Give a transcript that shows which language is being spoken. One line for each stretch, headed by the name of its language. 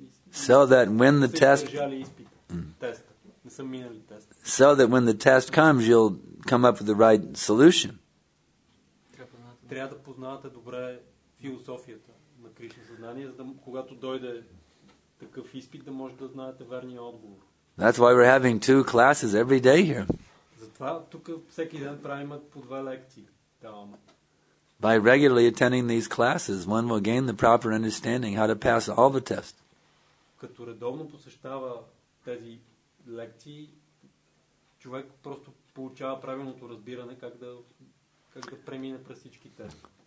English: So that when the test comes, you'll come up with the right solution.
Bulgarian: Трябва да познавате добре философията на Кришна съзнание, за да когато дойде такъв изпит, да може да знаете верния отговор.
English: That's why we're having two classes every day here.
Bulgarian: Затова тук всеки ден правим по две лекции. Даваме.
English: By regularly attending these classes, one will gain the proper understanding how to pass all the tests.
Bulgarian: Като редовно посещава тези лекции, човек просто получава правилното разбиране как да премине през всички тестове.